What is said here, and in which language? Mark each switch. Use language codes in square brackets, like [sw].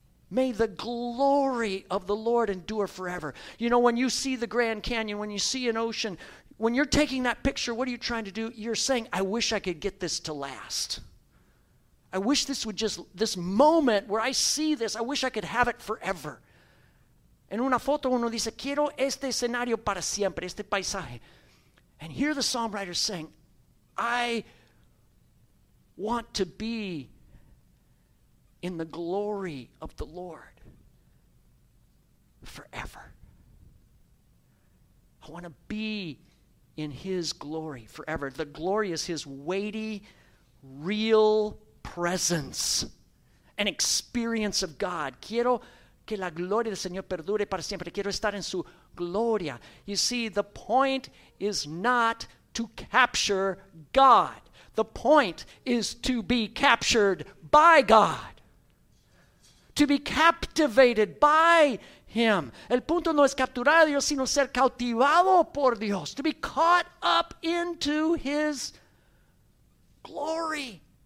[en] May the glory of the Lord endure forever. You know, when you see the Grand Canyon, when you see an ocean, when you're taking that picture, what are you trying to do? You're saying, I wish I could get this to last. I wish this would just, this moment where I see this, I wish I could have it forever. [es] En una foto uno dice, quiero este escenario para siempre, este paisaje. [en] And here the psalm writer is saying, I want to be in the glory of the Lord forever. I want to be in his glory forever. The glory is his weighty, real presence, an experience of God. [es] Quiero que la gloria del Señor perdure para siempre. Quiero estar en su gloria. [en] You see, the point is not to capture God. The point is to be captured by God, to be captivated by him. [es] El punto no es capturar a Dios, sino ser cautivado por Dios, [en] to be caught up into his glory.